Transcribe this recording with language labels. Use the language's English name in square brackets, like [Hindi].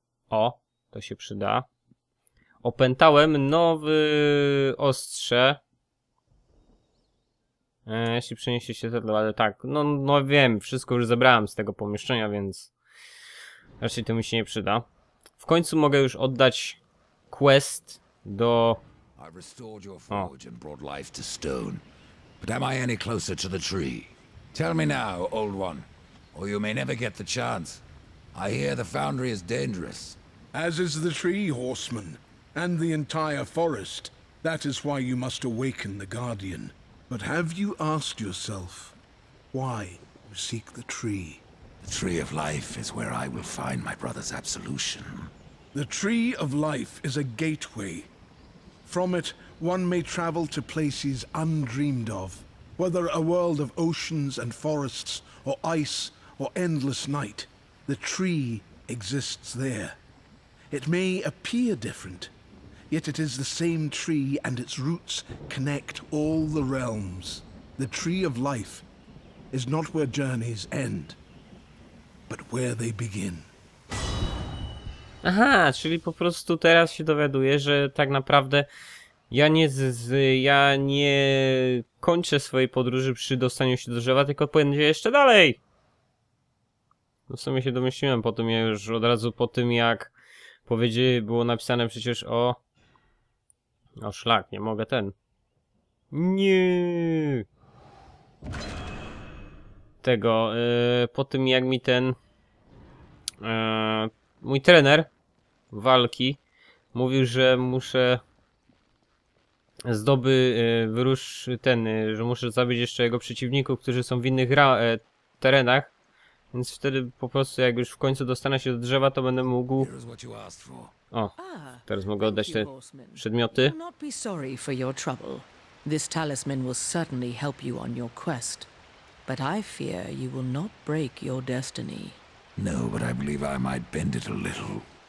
[Polish] O, to się przyda. Opętałem nowy ostrze. Jeśli przeniesie się to, ale tak. No, no wiem, wszystko już zebrałem z tego pomieszczenia, więc raczej to mi się nie przyda. W końcu mogę już oddać quest do. [English] I restored your forge and brought life to stone. But am I any closer to the tree? Tell me now, old one, or you may never get the chance. I hear the foundry is dangerous. As is the tree, horseman, and the entire forest. That is why you must awaken the guardian. But have you asked yourself why you seek the tree? The tree of life is where I will find my brother's absolution. The tree of life is a gateway. From it, one may travel to places undreamed of, whether a world of oceans and forests, or ice, or endless night. The tree exists there. It may appear different, yet it is the same tree and its roots connect all the realms. The tree of life is not where journeys end, but where they begin. [Polish] Aha, czyli po prostu teraz się dowiaduję, że tak naprawdę ja nie kończę swojej podróży przy dostaniu się do drzewa, tylko pójdę jeszcze dalej. No w sumie się domyśliłem po tym, ja już od razu po tym, jak powiedzi było napisane przecież o szlak, nie mogę ten. Nie. Tego, po tym jak mi ten mój trener walki mówił, że muszę zdoby wyrusz ten, że muszę zabić jeszcze jego przeciwników, którzy są w innych terenach. Więc wtedy po prostu, jak już w końcu dostanę się do drzewa, to będę mógł. O, teraz mogę oddać te przedmioty. [English] Not be sorry for your trouble. This talisman will certainly help you on your quest, but I fear you will not break your destiny. No, but I believe I might bend it a little.